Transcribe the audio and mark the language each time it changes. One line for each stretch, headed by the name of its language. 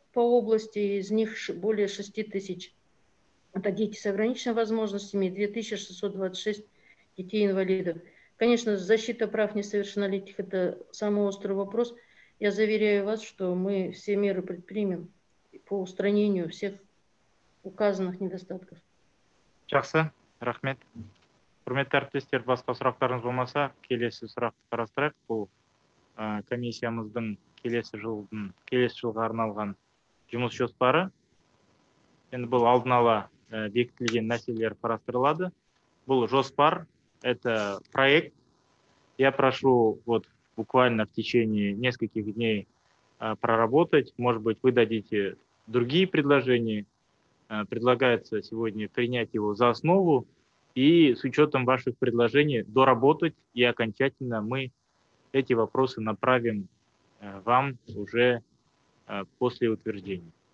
Russian: По области, из них более 6 тысяч это дети с ограниченными возможностями, 2626 детей-инвалидов. Конечно, защита прав несовершеннолетних – это самый острый вопрос. Я заверяю вас, что мы все меры предпримем по устранению всех указанных недостатков.
Kazakh: Жақсы, рахмет. Құрметті әріптестер, басқа сұрақтарыңыз болмаса, келесі сұрақты қарастырайық. Бұл комиссиямыздың келесі жылға арналған жұмыс жоспары. Енді бұл алдын ала бекітілген мәселелер қарастырылады. Бұл жоспар,
Russian: это проект. Я прошу вот буквально в течение нескольких дней проработать. Может быть, вы дадите другие предложения. Предлагается сегодня принять его за основу и с учетом ваших предложений доработать, и окончательно мы эти вопросы направим вам уже после утверждения.